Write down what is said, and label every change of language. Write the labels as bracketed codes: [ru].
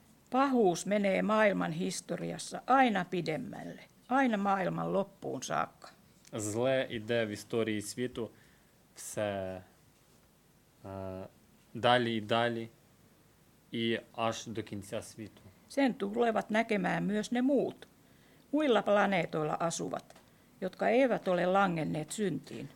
[fi] Pahuus menee maailman historiassa aina pidemmälle, aina maailman loppuun saakka. [uk] Зле іде в історії світу все далі і далі, і аж до кінця світу. [fi] Sen tulevat näkemään myös ne muut, muilla planeetoilla asuvat, jotka eivät ole langenneet syntiin.